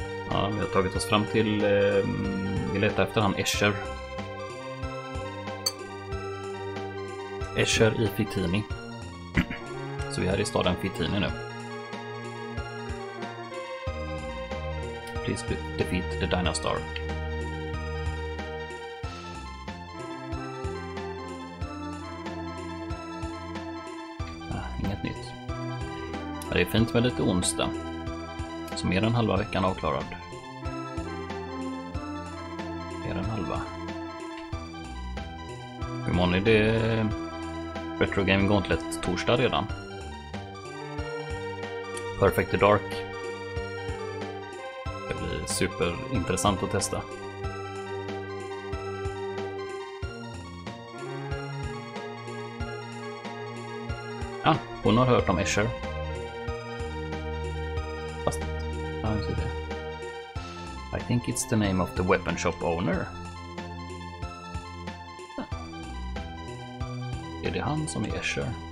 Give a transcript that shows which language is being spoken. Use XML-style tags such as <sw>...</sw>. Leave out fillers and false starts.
<sv>Ja, vi har tagit oss fram till... vi letar efter han, Escher. Escher i Fittini. Så vi är i staden Fittini nu.</sv> <en>Please defeat the Dinastar.</en> <sv>Inget nytt. Det är fint med lite onsdag. Så mer än halva veckan avklarad. Mer än halva. Hur mån är det? Retro Gaming Gauntlet torsdag redan.</sv> <en>Perfect the Dark.</en> <sv>Superintressant att testa. Ja, hon har hört om Escher. Fast, vad är det?</sv> <en>I think it's the name of the weapon shop owner.</en> <sv>Ja. Är det han som är Escher?</sv>